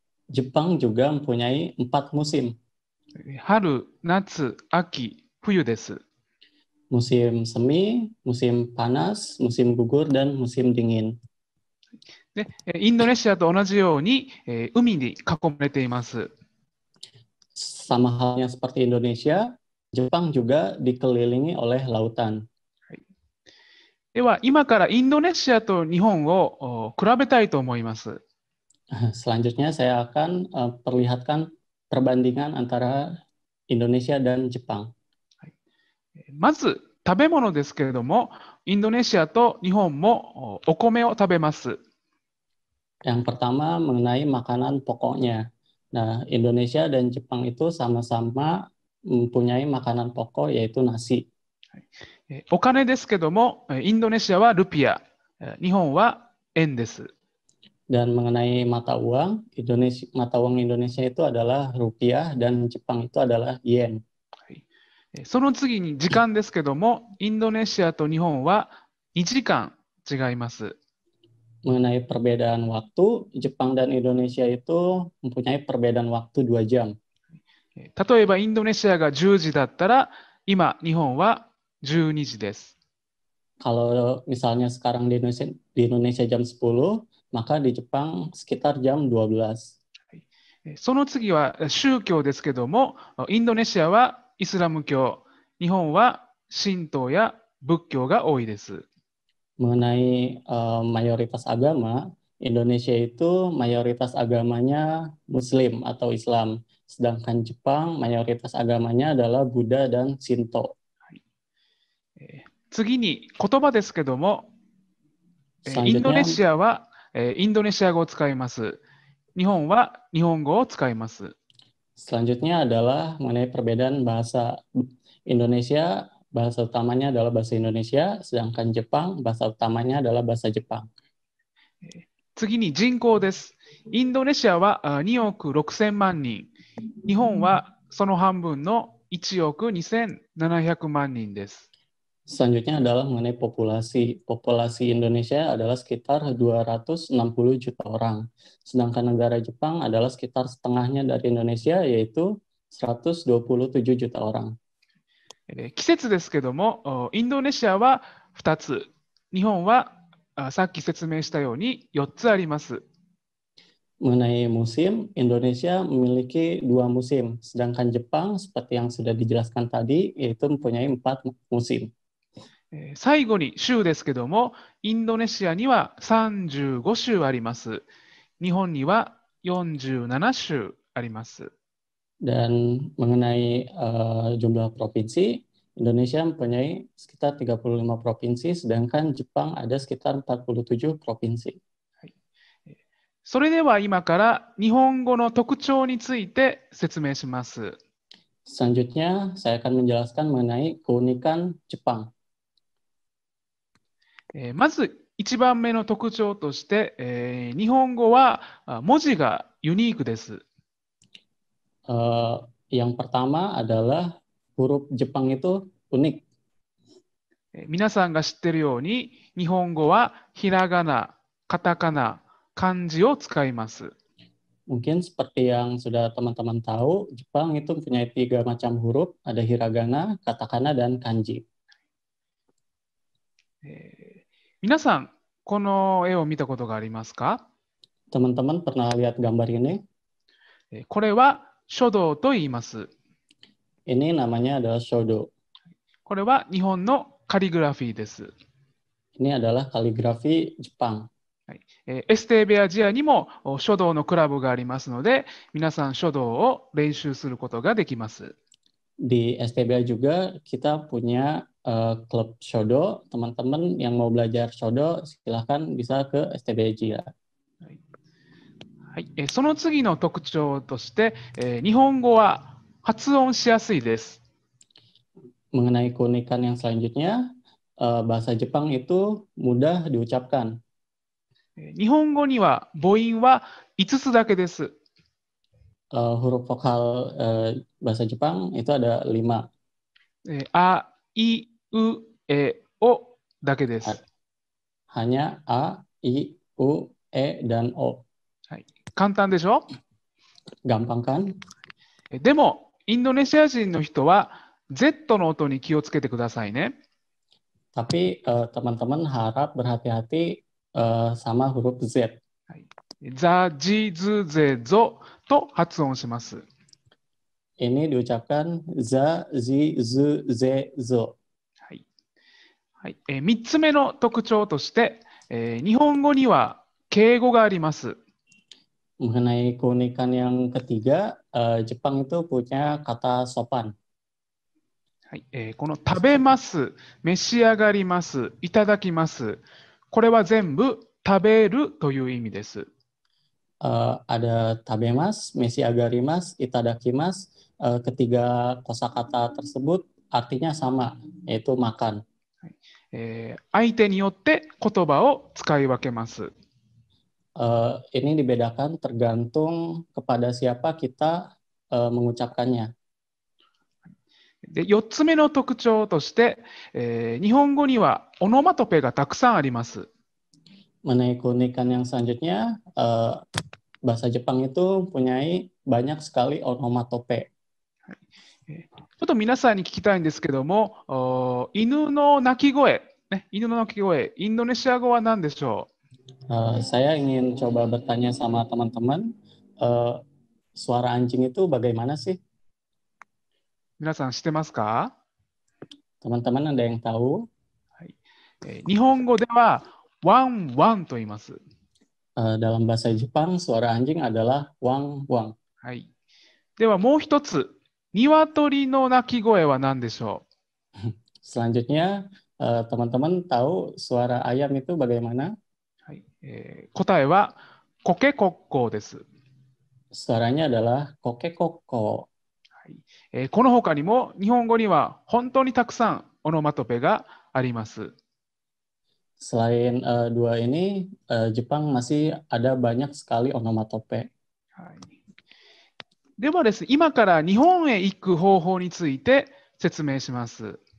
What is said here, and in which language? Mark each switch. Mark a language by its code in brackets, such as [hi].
[id] Jepang juga mempunyai 4 musim. [ja] 春、夏、秋、冬です。 [id] Musim semi, musim panas, musim gugur, dan musim dingin. [ja] で、Indonesia と同じように海に囲まれています。 [id] Sama halnya seperti Indonesia, Jepang juga dikelilingi oleh lautan. [ja] では今からインドネシアと日本を比べたいと思います。 [id] Selanjutnya saya akan perlihatkan perbandingan antara Indonesia dan Jepang。 [ja] まず食べ物ですけれども、インドネシアと日本もお米を食べます。 [id] Yang pertama mengenai makanan pokoknya. Nah, Indonesia dan Jepang itu sama-sama mempunyai makanan pokok yaitu nasi. [ja] Okane desu kedomo, Indonesia wa rupiah, Nihon wa yen desu. [id] Dan mengenai mata uang, mata uang Indonesia itu adalah rupiah dan Jepang itu adalah yen. [ja] その次に時間ですけども、インドネシアと日本は2時間違います。 [id] Mengenai perbedaan waktu, Jepang dan Indonesia itu mempunyai perbedaan waktu 2 jam. [ja] 例えばインドネシアが10時だったら、今日本は12時です。 [id] Kalau misalnya sekarang di Indonesia jam 10, maka di Jepang sekitar jam 12. [ja] その次は宗教ですけども、インドネシアはイスラム教、日本は神道や仏教が多いです。 [id] Mengenai mayoritas agama, Indonesia itu mayoritas agamanya Muslim atau Islam, sedangkan Jepang mayoritas agamanya adalah Buddha dan Shinto. [ja] 次に言葉ですけども、インドネシアはインドネシア語を使います。日本は日本語を使います。 [id] Selanjutnya adalah mengenai perbedaan bahasa Indonesia. Bahasa utamanya adalah bahasa Indonesia, sedangkan Jepang bahasa utamanya adalah bahasa Jepang. [ja] 次に人口です。インドネシアは2億6千万人。日本はその半分の1億2千700万人です。 [id] Selanjutnya adalah mengenai populasi. Populasi Indonesia adalah sekitar 260 juta orang. Sedangkan negara Jepang adalah sekitar setengahnya dari Indonesia, yaitu 127 juta orang. [ja] 季節ですけども、インドネシアは2つ。日本はさっき説明したように4つあります。 [id] Mengenai musim, Indonesia memiliki 2 musim. Sedangkan Jepang, seperti yang sudah dijelaskan tadi, yaitu mempunyai 4 musim. [ja] 最後に州ですけども、インドネシアには35州あります。日本には47州あります。 [id] Dan mengenai jumlah provinsi, Indonesia mempunyai sekitar 35 provinsi, sedangkan Jepang ada sekitar 47 provinsi. [ja] それでは今から日本語の特徴について説明します。 [id] Selanjutnya, saya akan menjelaskan mengenai keunikan Jepang. [ja] まず一番目の特徴として、日本語は文字がユニークです。 [id] Yang pertama adalah huruf Jepang itu unik. [ja] 皆さんが知ってるように、日本語はひらがな、カタカナ、漢字を使います。 [id] Mungkin seperti yang sudah teman-teman tahu, Jepang itu punya 3 macam huruf, ada hiragana, katakana, dan kanji. [ja] 皆さん、この絵を見たことがありますか？ [id] Teman-teman pernah lihat gambar ini? [ja] これは書道と言います。 [id] Ini namanya adalah 書道。 [ja] これは日本のカリグラフィーです。 [id] Ini adalah kaligrafi Jepang。 [ja] エステベアジアにも書道のクラブがありますので、皆さん書道を練習することができます。 [id] Di STBA juga kita punya klub shodo. Teman-teman yang mau belajar shodo, silahkan bisa ke STBA juga. [ja] その次の特徴として、日本語は発音しやすいです。 [id] Mengenai keunikan yang selanjutnya, bahasa Jepang itu mudah diucapkan. [ja] 日本語には母音は5つだけです。 [id] Huruf vokal bahasa Jepang itu ada 5. [ja] A, I, U, E, O だけです。 [id] Hanya A, I, U, E, dan O. [ja] はい。簡単でしょ？ [id] Gampang kan? [ja] でも、インドネシア人の人は Z の音に気をつけてくださいね。 [id] Tapi, teman-teman harap berhati-hati sama huruf Z. [ja] ザ、ジ、ズ、ゼ、ゾ。と発音します。 [id] Ini diucapkan za, zi, zu, ze, zo. [ja] はい。はい。 3つ目の特徴として、日本語には敬語があります。 [id] Mengenai keunikan yang ketiga, Jepang itu punya kata sopan. [ja] はい。この食べます、召し上がります、いただきます。これは全部食べるという意味です。 [id] ada [ja] tabemas, mesi agarimas, itadakimas. [id] Ketiga kosakata tersebut artinya sama, yaitu makan. [ja] Aite niyotte kotoba o tsukai wakemasu. [id] Ini dibedakan tergantung kepada siapa kita mengucapkannya. [ja] で、4つ目の特徴として、日本語にはオノマトペがたくさんあります。 [id] Mengenai keunikan yang selanjutnya, bahasa Jepang itu mempunyai banyak sekali onomatope. [ja] ちょっと皆さんに聞きたいんですけども、犬の鳴き声、ね、犬の鳴き声、インドネシア語は何でしょう？ [id] Saya ingin coba bertanya sama teman-teman, suara anjing itu bagaimana sih? [ja] 皆さん知ってますか？ [id] Teman-teman ada yang tahu? [ja] 日本語ではワンワンと言います。 [id] Dalam bahasa Jepang, suara anjing adalah ワンワン。 [ja] はい。ではもう一つ、鶏の鳴き声は何でしょう？ [id] Selanjutnya, teman-teman tahu suara ayam itu bagaimana? [ja] はい。答えはコケコッコーです。 [id] Suaranya adalah コケコッコー。 [ja] この他にも日本語には本当にたくさんオノマトペがあります。 [id] Selain dua ini, Jepang masih ada banyak sekali オノマトペ。 [ja] ではですね、今から日本へ行く方法について説明します。